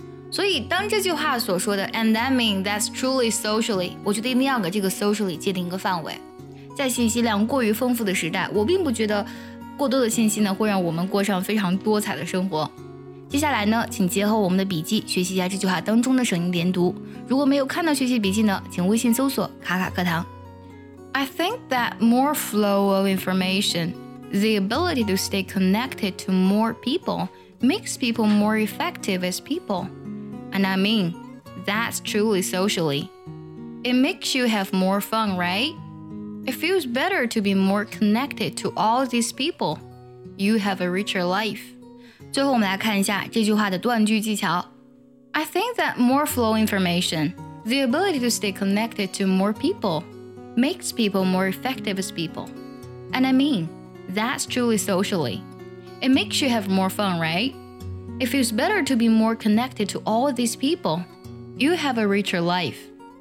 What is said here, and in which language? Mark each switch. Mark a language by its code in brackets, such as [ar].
[zh] 所以当这句话所说的 [en] And that means that's truly socially， [zh] 我觉得一定要给这个 socially 界定一个范围。在信息量过于丰富的时代，我并不觉得过多的信息呢会让我们过上非常多彩的生活。接下来呢，请结合我们的笔记学习一下这句话当中的省音连读。如果没有看到学习笔记呢，请微信搜索卡卡课堂。 [en] I think that more flow of information, the ability to stay connected to more people makes people more effective as people. And I mean, that's truly socially. It makes you have more fun, right? It feels better to be more connected to all these people. You have a richer life. [zh] 最后我们来看一下这句话的断句技巧。 [en] I think that more flow information, the ability to stay connected to more people, makes people more effective as people. And I mean, that's truly socially. It makes you have more fun, right? It feels better to be more connected to all these people. You have a richer life.